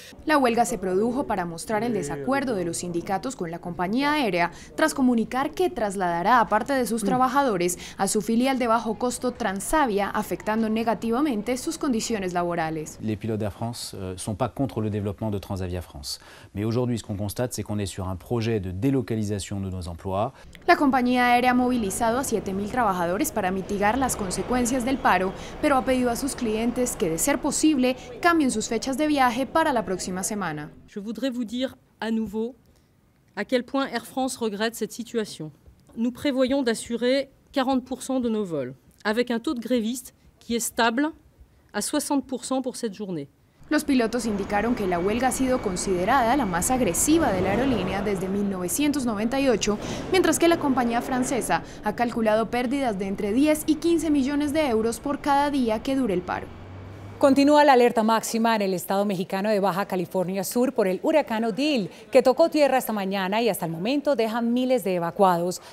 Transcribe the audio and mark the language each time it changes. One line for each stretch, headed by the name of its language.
Spanish: La huelga se produjo para mostrar el desacuerdo de los sindicatos con la compañía aérea tras comunicar que trasladará a parte de sus trabajadores a su filial de bajo costo Transavia, afectando negativamente sus condiciones laborales.
French: Les pilotes d'Air France sont pas contre le développement de Transavia France, mais aujourd'hui ce qu'on constate c'est qu'on est sur un projet de délocalisation de nos emplois.
Spanish: La compañía aérea ha movilizado a 7.000 trabajadores para mitigar las consecuencias del paro, pero ha pedido a sus clientes que, de ser posible, cambien sus fechas de viaje para la próxima semana.
French: Je voudrais vous dire à nouveau à quel point Air France regrette cette situation. Nous prévoyons d'assurer 40% de nos vols, avec un taux de grévistes qui est stable à 60% pour cette journée.
Spanish: Los pilotos indicaron que la huelga ha sido considerada la más agresiva de la aerolínea desde 1998, mientras que la compañía francesa ha calculado pérdidas de entre 10 y 15 millones de euros por cada día que dure el paro. Continúa la alerta máxima en el estado mexicano de Baja California Sur por el huracán Odile, que tocó tierra esta mañana y hasta el momento deja miles de evacuados.